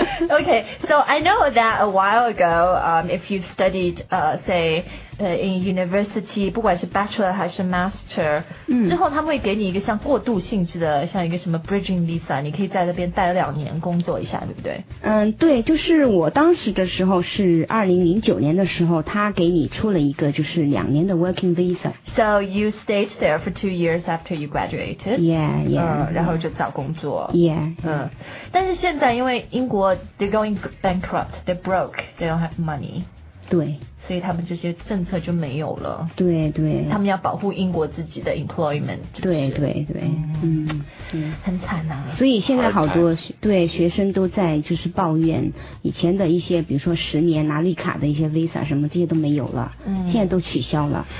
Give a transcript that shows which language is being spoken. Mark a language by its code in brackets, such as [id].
[en] Okay, so I know that a while ago, if you studied, in university, [zh] 不管是 bachelor 还是 master，之后他们会给你一个像过渡性质的，像一个什么 bridging visa， 你可以在那边待两年工作一下，对不对？对，就是我当时的时候是2009年的时候，他给你出了一个就是两年的 working visa。 [en] So you stayed there for 2 years after you graduated. Yeah. [zh] 然后就找工作。 [en] Yeah. [zh] 但是现在因为英国 [en] they're going bankrupt, they're broke, they don't have money。 [zh] 对。所以他们这些政策就没有了。对对，他们要保护英国自己的 employment。对对对，很惨啊。所以现在好多对学生都在就是抱怨，以前的一些比如说十年拿绿卡的一些 visa 什么这些都没有了，现在都取消了。